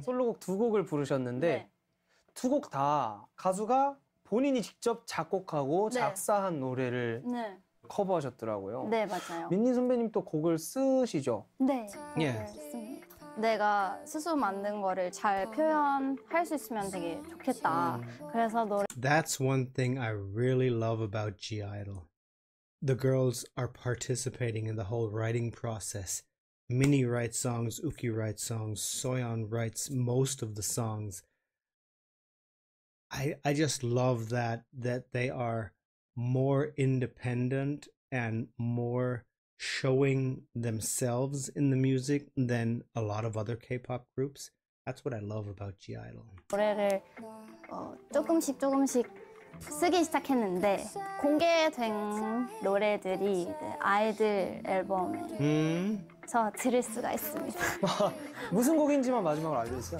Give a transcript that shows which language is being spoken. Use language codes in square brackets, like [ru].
[ko] 솔로곡 두 곡을 부르셨는데 네. 두 곡 다 가수가 본인이 직접 작곡하고 네. 작사한 노래를 네. 커버하셨더라고요. 네, 맞아요. 민니 선배님 또 곡을 쓰시죠? 네. 예. 맞습니다. 내가 스스로 만든 거를 잘 표현할 수 있으면 되게 좋겠다. 그래서 노래 [en] That's one thing I really love about G-Idle. The girls are participating in the whole writing process. Minnie writes songs, Uki writes songs, Soyeon writes most of the songs. I just love that they are more independent and more showing themselves in the music than a lot of other K-pop groups. That's what I love about G-Idle. [ko] 노래를 조금씩 쓰기 시작했는데 공개된 노래들이 아이들 앨범에 저 들을 수가 있습니다. 무슨 곡인지만 마지막으로 알려주세요.